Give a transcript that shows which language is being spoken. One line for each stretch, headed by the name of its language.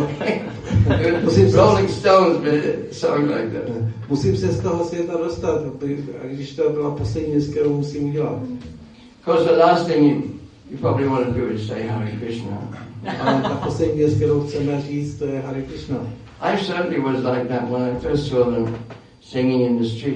English: It was the last thing I ever do.
Czech: Musím se z toho světa dostat, a když to byla poslední věc, kterou musím udělat.
English: Because the last thing you probably want to do is say Hare Krishna.
Czech: Ale ta poslední věc, kterou chceme říct, to je Hare Krishna.
English: I certainly was like that when I first saw them singing in the street.